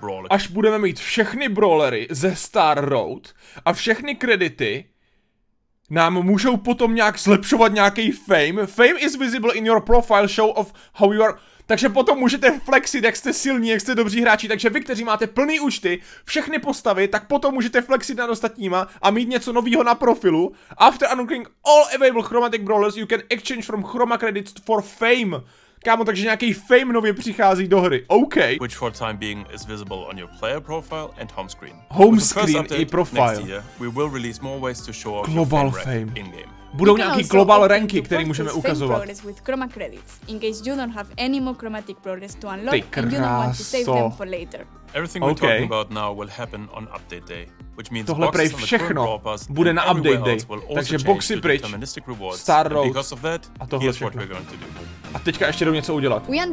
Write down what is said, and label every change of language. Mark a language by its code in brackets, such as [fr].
[cs] Až budeme mít všechny brawlery ze Star Road a všechny kredity, nám můžou potom nějak zlepšovat nějaký fame. [en] Fame is visible in your profile show of how you are. [cs] Takže potom můžete flexit, jak jste silní, jak jste dobří hráči. Takže vy, kteří máte plný účty, všechny postavy, tak potom můžete flexit nad ostatníma a mít něco novýho na profilu. [en] After unlocking all available chromatic brawlers, you can exchange from chroma credits for fame. [cs] Kámo, takže nějaký fame nově přichází do hry. OK. [en] Which for time being is visible on your player profile and home screen. Home screen i profile. Next year, we will release more ways to show global your fame in-game. [cs] Budou nějaký global ranky, které můžeme ukazovat. [en] With chroma credits, in case you don't have any more chromatic progress to unlock, and you don't want to save them for later. Everything we're talking about now will happen on update day. Which means [cs] tohle prej všechno bude na update day, takže boxy pryč, Star Road a tohle všechno. A teďka ještě jdou něco udělat.